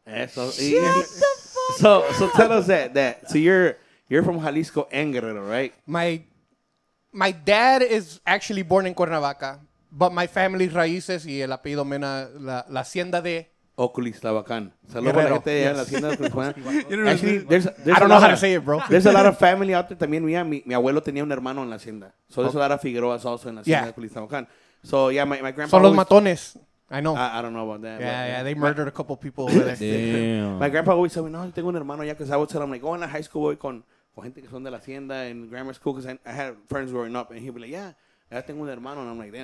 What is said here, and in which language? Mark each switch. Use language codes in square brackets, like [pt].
[en] Eso. So tell us that. So you're from Jalisco and Guerrero, right? My dad is actually born in Cuernavaca, but my family's raíces y el apellido Mena, la hacienda de... [es] Oculis, Tabacán. Saludos a la gente de la hacienda de Oculis. [en] I don't know how to say it, bro. There's a lot of family out there. [es] También mi abuelo tenía un hermano en la hacienda. [en] So there's a lot of Figueroa's also en la hacienda de Oculis, Tabacán. So yeah, my grandpa... [es] Son los matones. I know. [en] I don't know about that. Yeah, they murdered a couple people. Damn. My grandpa always told me, no, tengo un hermano ya, because I would tell him, like, oh, in a high school, voy con gente que son de la hacienda in grammar school, because I had friends growing up. And he'd be like, yeah, ya tengo un hermano. And I'm like, damn.